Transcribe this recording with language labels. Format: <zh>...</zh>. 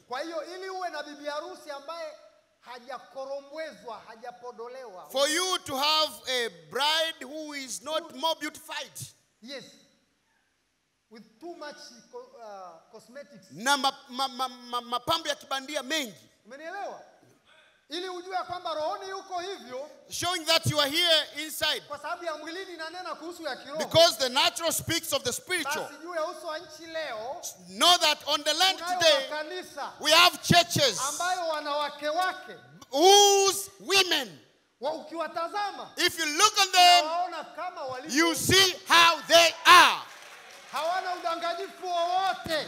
<en>For you to have a bride who is not more beautified. Yes. With too much cosmetics.</en> <sw>Na mapambo ya kibandia mengi. Umenielewa? Ili ujue kwamba rohoni yuko hivyo.</sw> <en>Showing that you are here inside.</en> <sw>Kwa sababu ya mwilini inanena kuhusu ya kiroho.</sw> <en>Because the natural speaks of the spiritual.</en> <sw>Basi juu ya uso wa nchi leo.</sw> <en>Know that on the land today.</en> <sw>Kanisa,</sw> <en>we have churches.</en> <sw>Ambayo wanawake wake.</sw> <en>Whose women.</en> <sw>Wa ukiwatazama.</sw> <en>If you look on them.</en> <sw>Waona kama walivyo.</sw> <en>You see how they are.</en> <sw>Hawana udanganyifu wowote.</sw>